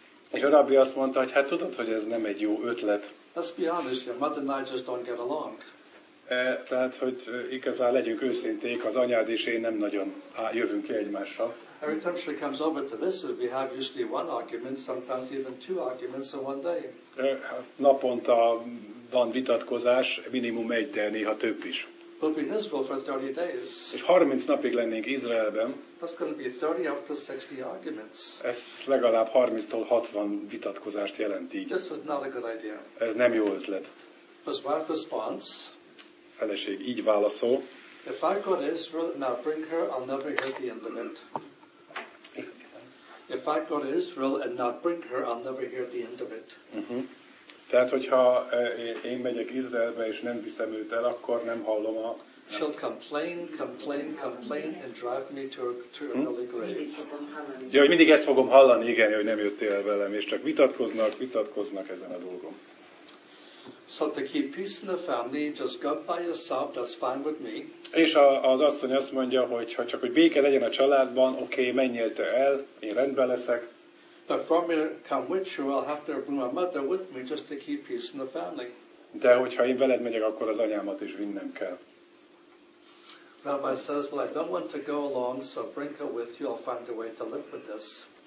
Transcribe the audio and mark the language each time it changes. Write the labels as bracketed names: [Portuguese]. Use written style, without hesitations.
[Hungarian] És a rabbi azt mondta, hogy hát tudod, hogy ez nem egy jó ötlet. [English] Let's be honest, your mother and I just don't get along. [Hungarian] Tehát, hogy igazán legyünk őszinték, az anyád és én nem nagyon jövünk ki egymással. [English] Every time she comes over to visit, we have usually one argument, sometimes even two arguments in one day. [Hungarian] Naponta van vitatkozás, minimum egy, de néha több is. [English] We'll be in Israel for 30 days. [Hungarian] És 30 napig lennénk Izraelben. [English] That's going to be 30 up to 60 arguments. [Hungarian] Ez legalább 30-tól 60 vitatkozást jelenti. [English] This is not a good idea. [Hungarian] Ez nem jó ötlet. [English] His wife responds. [Hungarian] Feleség így válaszol. [English] If I go to Israel and I bring her, I'll never hear the end of it. If I go to Israel and not bring her, I'll never hear the end of it. [Hungarian] Tehát, hogyha én megyek Izraelbe és nem viszem őt el, akkor nem hallom a... [English] She'll complain and drive me to an early grave. [Hungarian] Ja, hogy mindig ezt fogom hallani, igen, hogy nem jöttél velem, és csak vitatkoznak ezen a dolgom. [English] So to keep peace in the family, just go by yourself, that's fine with me. [Hungarian] És az asszony azt mondja, hogy ha csak hogy béke legyen a családban, okay, menjél te el, én rendben leszek. [English] But from here come with you, I'll have to bring my mother with me just to keep peace in the family. [Hungarian] De hogyha én veled megyek, akkor az anyámat is vinnem kell. [English] Rabbi says, well, I don't want to go along, so bring her with you, I'll find a way to live with this.